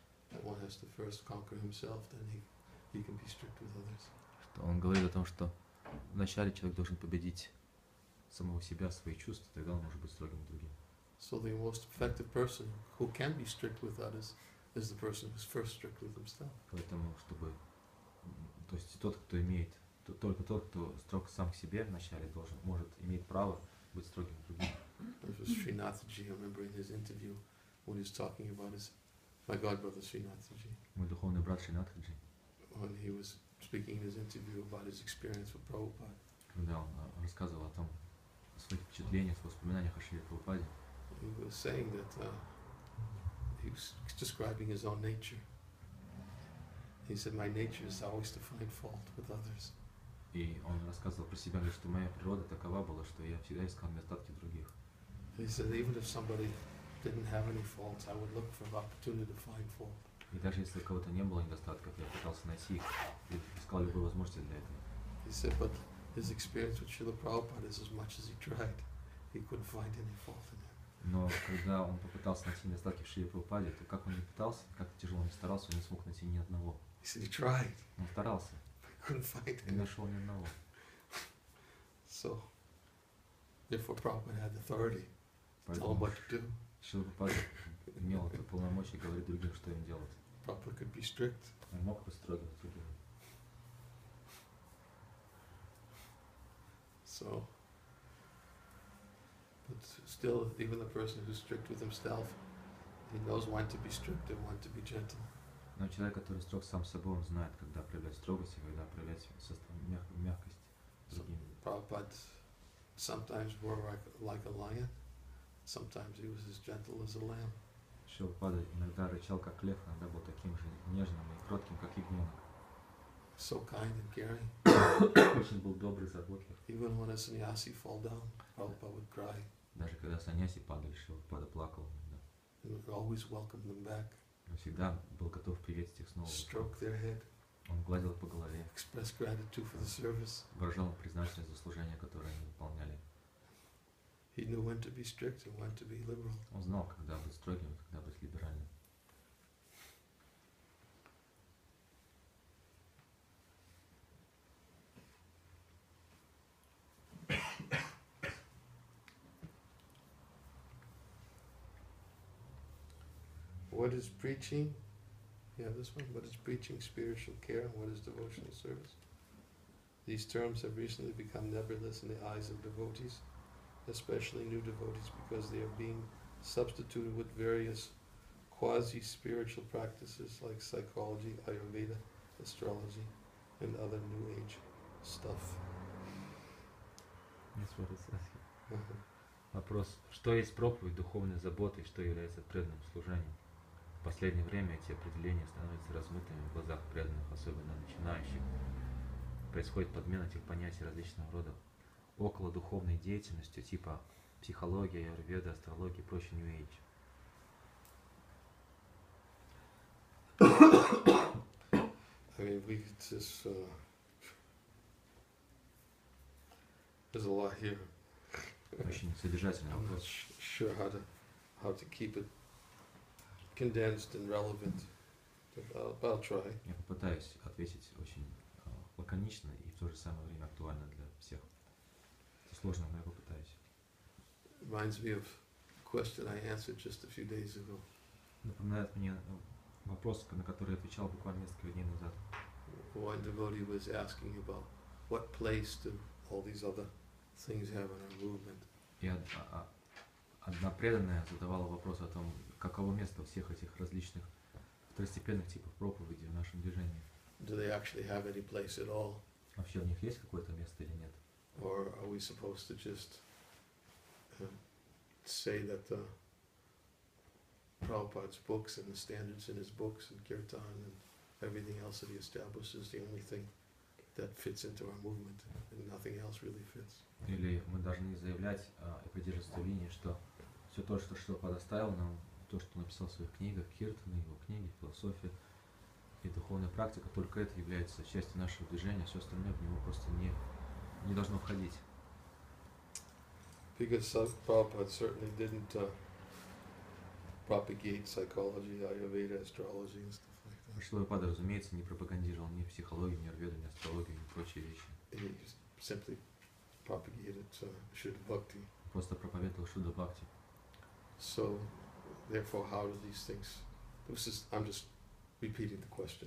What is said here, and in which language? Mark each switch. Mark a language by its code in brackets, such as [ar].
[en] That one has to first conquer himself, then he can be strict with others. [ru] Он говорит о том, что вначале человек должен победить самого себя, свои чувства, тогда он может быть строгим к другим. [en] So the most effective person who can be strict with others is the person who's first strict with himself. [ru] Поэтому, чтобы, то есть тот, кто имеет, только тот, кто строг сам к себе вначале, должен, может иметь право быть строгим к другим. [en] This was Srinathaji, I remember in his interview when he was talking about his, my god brother Srinathaji. [ru] Мой духовный брат Srinathaji. [en] When he was speaking in his interview about his experience with Prabhupada. [ru] Он рассказывал о том, о своих впечатлениях, о воспоминаниях о Шриле Прабхупаде. [en] He was saying that he was describing his own nature. He said, my nature is always to find fault with others. [ru] И он рассказывал про себя, что моя природа такова была, что я всегда искал недостатки других. [en] He said, even if somebody didn't have any faults, I would look for an opportunity to find fault. [ru] И даже если у кого-то не было недостатков, я пытался найти их и искал любую возможность для этого. [en] He said, but his experience with Srila Prabhupada is as much as he tried, he couldn't find any fault in him. [ru] Но когда он попытался найти недостатки в Шриле Прабхупаде, то как он не пытался, как тяжело он не старался, он не смог найти ни одного. [en] He said, he tried. [ru] Он старался. [en] But couldn't find any. [ru] Не нашел ни одного. [en] So, therefore, Prabhupada had authority. Tell him what to do. [ru] Шрила Прабхупада имел это полномочие говорить другим, что им делать. [en] Prabhupada could be strict. [ru] Он мог бы строго с другим. [en] So, but still, even the person who's strict with himself, he knows when to be strict and when to be gentle. [ru] Но человек, который строг сам собой, он знает, когда проявлять строгость и когда проявлять мягкость другим. [en] Prabhupada sometimes wore like a lion. Sometimes he was as gentle as a lamb. [ru] Шилпада иногда рычал как лев, иногда был таким же нежным и кротким, как ягненок. [en] So kind and caring. [ru] Очень был добрый, заботлив. [en] Even when a sannyasi fall down, Prabhupada would cry. [ru] Даже когда саньяси падали, Шилпада плакал. [en] He would always welcome them back. [ru] Он всегда был готов приветствовать их снова. [en] Stroke their head. [ru] Он гладил по голове. [en] Express gratitude for the service. [ru] Выражал признательность за служение, которое они выполняли. [en] He knew when to be strict and when to be liberal. [ru] Он знал, когда быть строгим, когда быть либеральным. [en] What is preaching? Yeah, this one. What is preaching? Spiritual care. What is devotional service? These terms have recently become nebulous in the eyes of devotees. Especially new devotees, because they are being substituted with various quasi-spiritual practices like psychology, Ayurveda, astrology, and other New Age stuff. That's what it says. [ru] Вопрос: что есть проповедь духовной заботы, что является преданным служением? В последнее время эти определения становятся размытыми в глазах преданных, особенно начинающих. Происходит подмена этих понятий различного рода. Около духовной деятельности, типа психология, аюрведа, астрология и прочее New Age. [en] I mean, we just there's a lot here. [ru] Очень содержательный вопрос. [en] I'm not sure how to keep it condensed and relevant, but I'll try. [ru] Я попытаюсь ответить очень лаконично и в то же самое время актуально для всех. Сложно, но я попытаюсь. [en] Reminds me of a question I answered just a few days ago. [ru] напоминает мне вопрос, на который отвечал буквально несколько дней назад. [en] One devotee was asking about what place do all these other things have in our movement. [ru] И одна преданная задавала вопрос о том, каково место всех этих различных второстепенных типов проповеди в нашем движении. [en] Do they actually have any place at all? [ru] Вообще у них есть какое-то место или нет? [en] Or are we supposed to just say that Prabhupada's books and the standards in his books and kirtan and everything else that he establishes is the only thing that fits into our movement and nothing else really fits? [ru] Или мы должны заявлять и поддерживать линию, что все то, что Шрила оставил нам, то, что написал в своих книгах, киртаны, его книги, философия и духовная практика, только это является частью нашего движения, все остальное в него просто не должно входить. [en] Because Prabhupada certainly didn't propagate psychology, Ayurveda, astrology and stuff like that. [ru] Шрила Прабхупада, разумеется, не пропагандировал ни психологию, ни Аюрведу, ни астрологию, ни прочие вещи. [en] He simply propagated Shuddha Bhakti. [ru] Просто проповедовал Шуддха Бхакти. [en] So, therefore, how do these things? I'm just repeating the question.